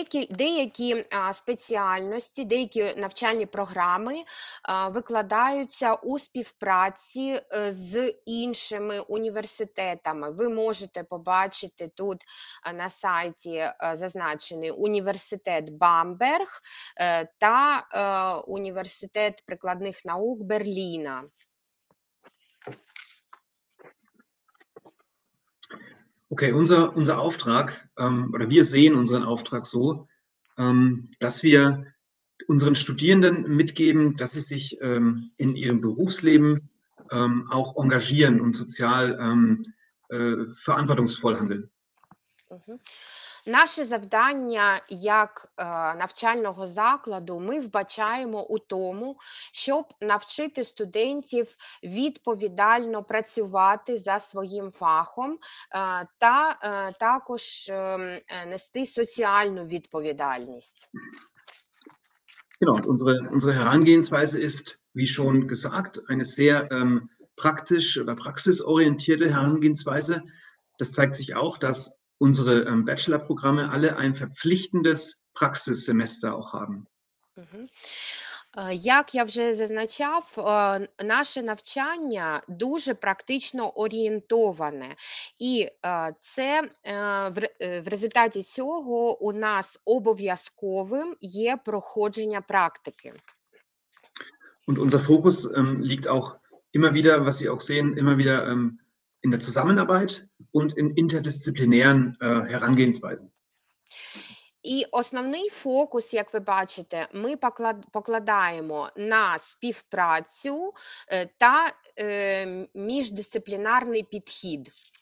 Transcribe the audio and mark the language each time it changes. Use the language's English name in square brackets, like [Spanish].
[Ukrainian] Деякі спеціальності, деякі навчальні програми викладаються у співпраці з іншими університетами. Ви можете побачити тут на сайті зазначений університет Бамберг та університет прикладних наук Берліна. [German] Okay, unser Auftrag, oder wir sehen unseren Auftrag so, dass wir unseren Studierenden mitgeben, dass sie sich in ihrem Berufsleben auch engagieren und sozial verantwortungsvoll handeln. [Ukrainian] Наше завдання як навчального закладу ми вбачаємо у тому, щоб навчити студентів відповідально працювати за своїм фахом та також нести соціальну відповідальність. [German] Genau, unsere Herangehensweise ist, wie schon gesagt, eine sehr praktisch oder praxisorientierte Herangehensweise. Das zeigt sich auch, dass unsere Bachelor-Programme alle ein verpflichtendes Praxissemester auch haben. [Ukrainian] Як я вже зазначав, наше навчання дуже практично орієнтоване. І це в результаті цього у нас обов'язковим є проходження практики. [German] Und unser Fokus liegt auch immer wieder, was Sie auch sehen, immer wieder in der Zusammenarbeit und in interdisziplinären Herangehensweisen. [Ukrainian] І основний фокус, як ви бачите, ми покладаємо на співпрацю та міждисциплінарний підхід.